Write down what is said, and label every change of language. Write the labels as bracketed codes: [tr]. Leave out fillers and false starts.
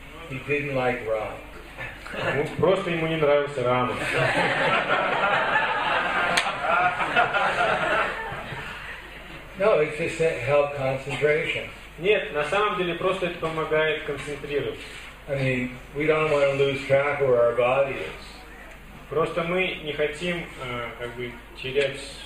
[en] He didn't like Rama. [ru] Ну, просто ему не нравился Рама. [en] No, it's just to help concentration. [ru] Нет, на самом деле просто это помогает концентрироваться. [en] I mean, we don't want to lose track where our body is. [ru] Просто мы не хотим терять.